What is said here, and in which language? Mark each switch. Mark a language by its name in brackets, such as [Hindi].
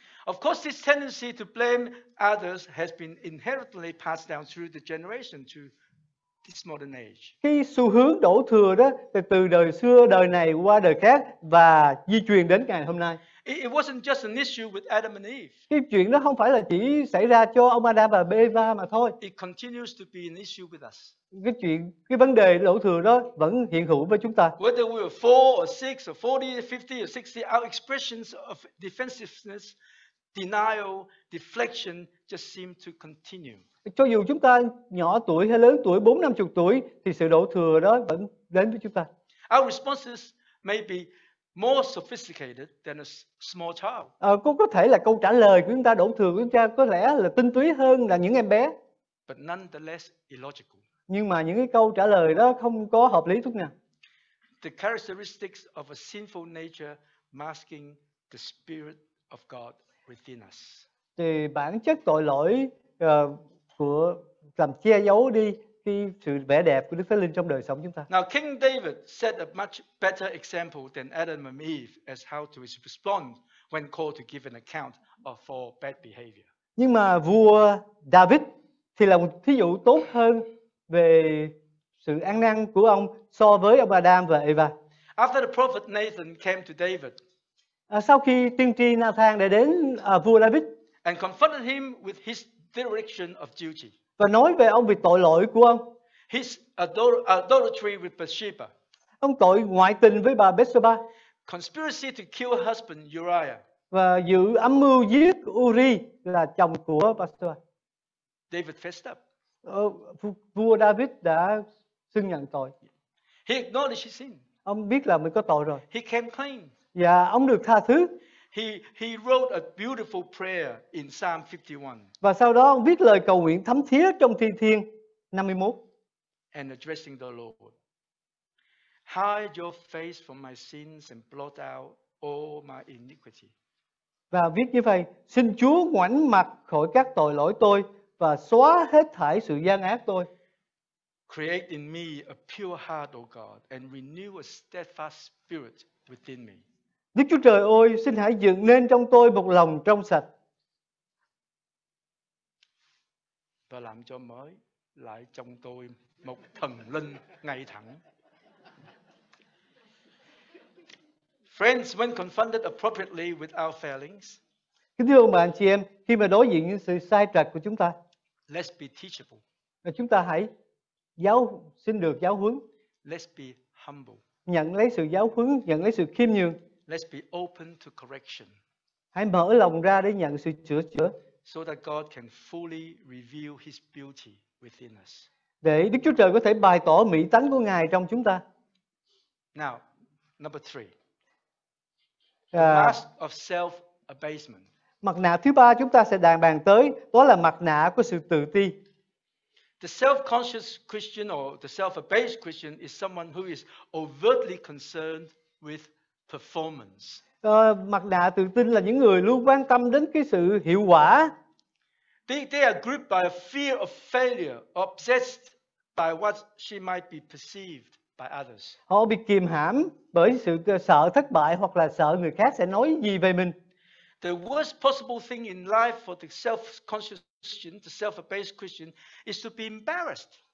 [English] Of course, this tendency to blame others has been inherently passed down through the generation to this modern age. [Vietnamese] Cái xu hướng đổ thừa đó từ đời xưa đời này qua đời khác và di truyền đến ngày hôm nay. [English] It wasn't just an issue with Adam and Eve. [Vietnamese] Cái chuyện đó không phải là chỉ xảy ra cho ông Adam và Eva mà thôi. [English] It continues to be an issue with us. [Vietnamese] Cái chuyện, cái vấn đề đổ thừa đó vẫn hiện hữu với chúng ta. [English] Whether we were 4 or 6 or 40 or 50 or 60, our expressions of defensiveness, denial, deflection just seem to continue. [Vietnamese] Cho dù chúng ta nhỏ tuổi hay lớn tuổi, 40-50 tuổi, thì sự đổ thừa đó vẫn đến với chúng ta. [English] Our responses may be more sophisticated than a small child. [Vietnamese] Có thể là câu trả lời của chúng ta đổ thừa của chúng ta có lẽ là tinh túy hơn là những em bé. [English] But nonetheless illogical. [Vietnamese] Nhưng mà những cái câu trả lời đó không có hợp lý chút nào. [English] The characteristics of a sinful nature masking the spirit of God within us. [Vietnamese] Thì bản chất tội lỗi của làm che giấu đi khi sự vẻ đẹp của Đức Thánh Linh trong đời sống chúng ta. [English] Now King David set a much better example than Adam and Eve as how to respond when called to give an account of for bad behavior. [Vietnamese] Nhưng mà vua David thì là một thí dụ tốt hơn về sự ăn năn của ông so với ông Adam và Eva. [English] After the prophet Nathan came to David. [Vietnamese] Sau khi tiên tri Nathan đã đến vua David [English] and confronted him with his dereliction of duty. [Vietnamese] Và nói về ông bị tội lỗi của ông. [English] His adultery with Bathsheba. [Vietnamese] Ông tội ngoại tình với bà Bathsheba. [English] Conspiracy to kill husband Uriah. [Vietnamese] Và giữ âm mưu giết Uri là chồng của Bathsheba. [English] David fessed up. [Vietnamese] Vua David đã xưng nhận tội. [English] He acknowledged his sin. [Vietnamese] Ông biết là mình có tội rồi. [English] He came clean. [Vietnamese] Và ông được tha thứ. [English] He wrote a beautiful prayer in Psalm 51. [Vietnamese] Và sau đó ông viết lời cầu nguyện thấm thía trong Thi Thiên 51. [English] And addressing the Lord. Hide your face from my sins and blot out all my iniquity. [Vietnamese] Và viết như vậy: Xin Chúa ngoảnh mặt khỏi các tội lỗi tôi và xóa hết thảy sự gian ác tôi. [English] Create in me a pure heart, O God, and renew a steadfast spirit within me. [Vietnamese] Đức Chúa Trời ơi, xin hãy dựng nên trong tôi một lòng trong sạch. Và làm cho mới lại trong tôi một thần linh ngay thẳng. [English] Friends, when confronted appropriately with our failings, [Vietnamese] kính thưa ông bà anh chị em, khi mà đối diện những sự sai trật của chúng ta, [English] let's be teachable. [Vietnamese] Và chúng ta hãy giáo xin được giáo huấn. [English] Let's be humble. [Vietnamese] Nhận lấy sự giáo huấn, nhận lấy sự khiêm nhường. [English] Let's be open to correction. [Vietnamese] Hãy mở lòng ra để nhận sự sửa chữa. [English] So that God can fully reveal His beauty within us. [Vietnamese] Để Đức Chúa Trời có thể bày tỏ mỹ tánh của Ngài trong chúng ta. [English] Now, number three. Mask of self-abasement. [Vietnamese] Mặt nạ thứ ba chúng ta sẽ đàn bàn tới, đó là mặt nạ của sự tự ti. [English] The self-conscious Christian or the self-abased Christian is someone who is overtly concerned with performance. [Vietnamese] Mặt nạ tự tin là những người luôn quan tâm đến cái sự hiệu quả. [English] They are gripped by a fear of failure, obsessed by what she might be perceived by others. [Vietnamese] Họ bị kìm hãm bởi sự sợ thất bại hoặc là sợ người khác sẽ nói gì về mình. [English] The worst possible thing in life for the self-conscious Christian, the self-abased Christian, is to be embarrassed.